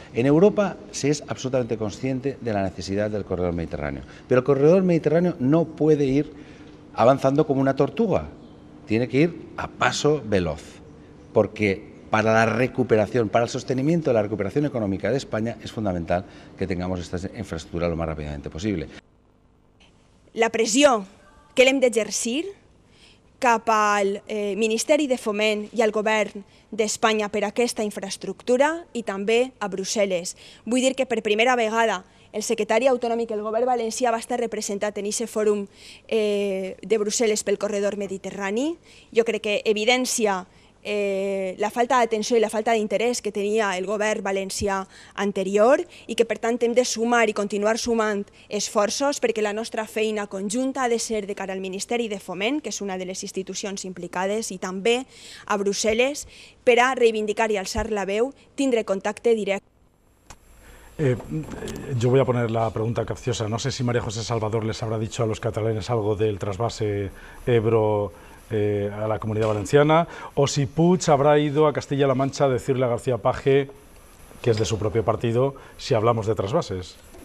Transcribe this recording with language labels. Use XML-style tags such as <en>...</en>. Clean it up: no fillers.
<es>En Europa se es absolutamente consciente de la necesidad del corredor mediterráneo, pero el corredor mediterráneo no puede ir avanzando como una tortuga, tiene que ir a paso veloz, porque para la recuperación, para el sostenimiento de la recuperación económica de España, es fundamental que tengamos esta infraestructura lo más rápidamente posible.</es> <ca>La presión que hem de exercir cap al Ministeri de Foment i al Govern d'Espanya per aquesta infraestructura i també a Brussel·les. Vull dir que per primera vegada el secretari autonòmic del Govern valencià va estar representat en aquest fòrum de Brussel·les pel corredor mediterrani. Jo crec que evidencia la falta d'atenció i la falta d'interès que tenia el govern valencià anterior i que, per tant, hem de sumar i continuar sumant esforços perquè la nostra feina conjunta ha de ser de cara al Ministeri de Foment, que és una de les institucions implicades, i també a Brussel·les, per a reivindicar i alçar la veu, tindre contacte directe.</ca> <es>Yo voy a poner la pregunta capciosa. No sé si María José Salvador les habrá dicho a los catalanes algo del trasvase Ebro a la Comunidad Valenciana, o si Puig habrá ido a Castilla-La Mancha a decirle a García Page, que es de su propio partido, si hablamos de trasvases.</es>